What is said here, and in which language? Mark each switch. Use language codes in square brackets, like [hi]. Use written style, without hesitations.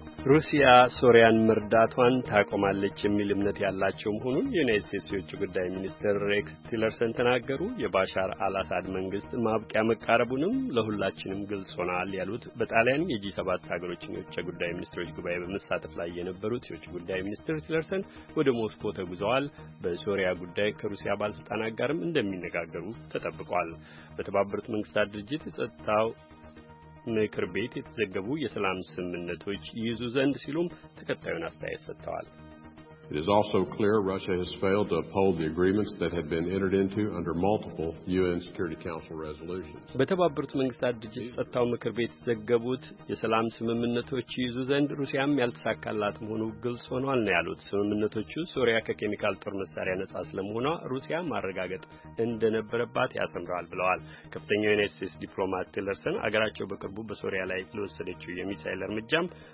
[am] ሩሲያ ሶሪያን መርዳቷን ታቆማለች የሚል እምነት ያላቸው መሆኑን የዩናይትድ ስቴትስ የውጭ ጉዳይ ሚኒስትር ሬክስ ቲለርሰን ተናገሩ። የባሻር አላሳድ መንግስት ማብቂያ መቃረቡንም ለሁላችንም ግልጽ ሆኗል ያሉት በጣሊያን የጂ7 ሀገሮች የውጭ ጉዳይ ሚኒስትሮች ጉባኤ በመሳተፍ ላይ የነበሩት የውጭ ጉዳይ ሚኒስትር ቲለርሰን ወደ ሞስኮ ተጉዘዋል። በሶሪያ ጉዳይ ከሩሲያ ባለስልጣናት ጋርም እንደሚነጋገሩ ተጠብቋል። በተባበሩት መንግስታት ድርጅት ጸጥታው ምክር ቤት የተዘገቡ የሰላም ስምምነቶች ይዙ ዘንድ ሲሉም ተከታዩን አስተያየት ሰጥተዋል። [en] It is also clear Russia has failed to uphold the agreements that have been entered into under multiple UN Security Council resolutions. [am] በተባበሩት መንግስታት ድርጅት ጸጥታው ምክር ቤት የተዘገቡት የሰላም ስምምነቶች ይዙ ዘንድ ሩሲያም ያልተሳካላት መሆኑ ግልጽ ሆኗል ነው ያሉት። ስምምነቶቹ ሶሪያ ከኬሚካል ጦር መሳሪያ ነጻ ስለመሆኗ ሩሲያ ማረጋገጥ እንደነበረባት ያስምራል ብለዋል። ከፍተኛው የዩናይትድ ስቴትስ ዲፕሎማት ቴለርሰን አገራቸው በቅርቡ በሶሪያ ላይ ለወሰደችው የሚሳኤል እርምጃም